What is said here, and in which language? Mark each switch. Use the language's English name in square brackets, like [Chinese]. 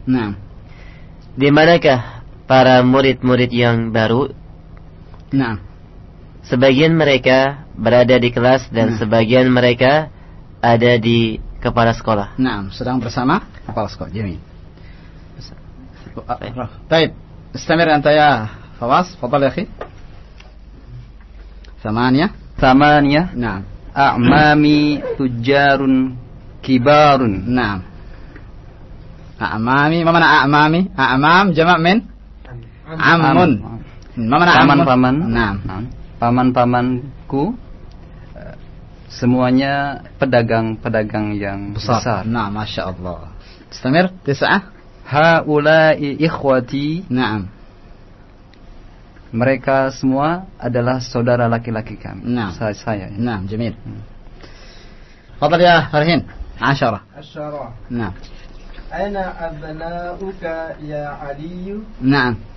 [Indonesian] Nah. Di manakah para murid-murid yang baru? Nah. Sebagian mereka berada di kelas dan sebagian mereka ada di kepala sekolah. Nah, sedang bersama kepala sekolah. [Arabic] Jamin. طيب استمر انت يا فواز تفضل يا اخي ثمانية نعم اعمامي تجار كبار نعم اعمامي ما معنى اعمامي اعمام جمع من عم ما معنى عمان [Indonesian] paman paman [Arabic] نعم [Indonesian] paman pamanku semuanya pedagang-pedagang yang besar [Arabic] نعم ما شاء الله استمر تسعة Haulai ikhwati. Naam. [Indonesian] Mereka semua adalah saudara laki-laki kami. [Arabic] Naam. [Indonesian] Saya. [Arabic] Naam, jamil. Fadal ya, Farhin. عشرة. عشرة. نعم. أين أبناؤك يا علي؟ نعم.